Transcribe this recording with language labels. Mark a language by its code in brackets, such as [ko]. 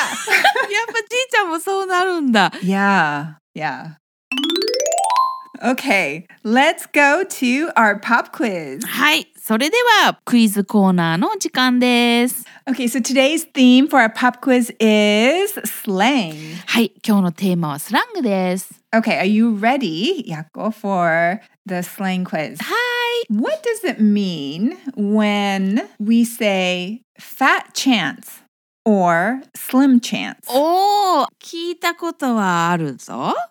[ja] やっぱじいちゃんもそうなるんだ。 [en] Yeah, yeah. Okay, let's go to our pop quiz. [ja] はい、それではクイズコーナーの時間です。 [en] Okay, so today's theme for our pop quiz is slang. [ja] はい、今日のテーマはスラングです。 [en] Okay, are you ready, Yakko, for the slang quiz? [ja] はい。 [en] What does it mean when we say fat chance or slim chance? [ja] おー、聞いたことはあるぞ。